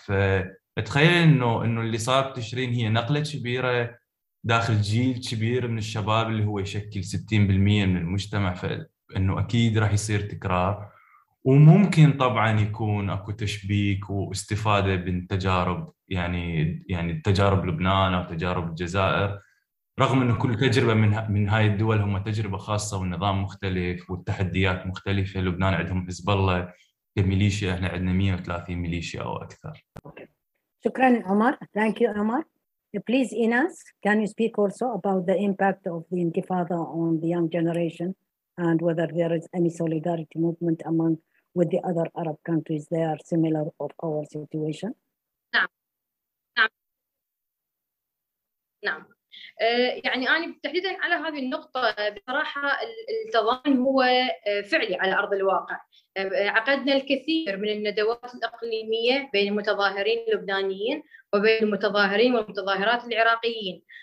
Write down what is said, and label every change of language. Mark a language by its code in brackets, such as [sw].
[ar] فتخيل أنه اللي صار بتشرين هي نقلة كبيرة داخل جيل كبير من الشباب اللي هو يشكل 60% من المجتمع، فإنه أكيد راح يصير تكرار، وممكن طبعاً يكون أكو تشبيك واستفادة من تجارب يعني تجارب لبنان أو تجارب الجزائر، رغم إنه كل تجربة من هاي الدول هم تجربة خاصة والنظام مختلف والتحديات مختلفة. لبنان عندهم حزب الله كميليشيا، إحنا عندنا 130 ميليشيا أو أكثر. شكراً [en] عمر. Thank you عمر. Please, Inas, can you speak also about the impact of the Intifada on the young generation and whether there is any solidarity movement among with the other Arab countries that are similar of our situation? No. [ar] يعني أنا تحديدا على هذه النقطة بصراحة التضامن هو فعلي على أرض الواقع. عقدنا الكثير من الندوات الإقليمية بين المتظاهرين اللبنانيين وبين المتظاهرين والمتظاهرات العراقيين،